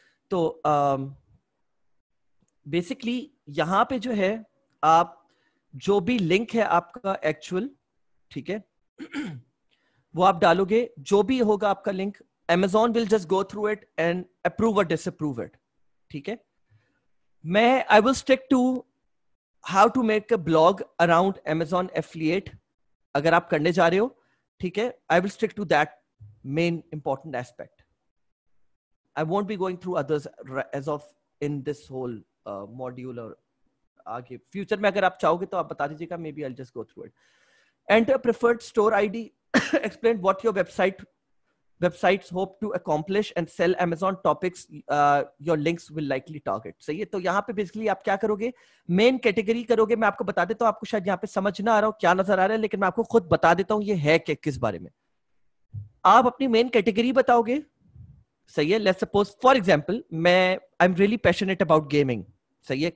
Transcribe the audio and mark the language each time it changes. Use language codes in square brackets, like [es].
[hi] तो बेसिकली यहाँ पे जो है आप जो भी लिंक है आपका एक्चुअल, ठीक है, वो आप डालोगे, जो भी होगा आपका link, [en] Amazon will just go through it and approve or disapprove it. [hi] ठीक है? [en] मैं I will stick to how to make a blog around Amazon affiliate. [hi] अगर आप करने जा रहे हो, ठीक है? [en] I will stick to that main important aspect. I won't be going through others as of in this whole module or [hi] आगे future में अगर आप चाहोगे तो आप बता दीजिएगा. [en] Maybe I'll just go through it. Enter preferred store ID. Explain what your website. Websites hope to accomplish and sell Amazon topics your links will likely target. [hi] सही है. तो यहाँ पे बेसिकली आप क्या करोगे, मेन कैटेगरी करोगे. मैं आपको बता देता हूँ, आपको शायद यहाँ पे समझ ना आ रहा हो क्या नजर आ रहा है, लेकिन मैं आपको खुद बता देता हूँ ये है कि किस बारे में. आप अपनी मेन कैटेगरी बताओगे. सही है. [en] let's suppose for example [hi] मैं [en] I am really passionate about gaming. [hi] सही है.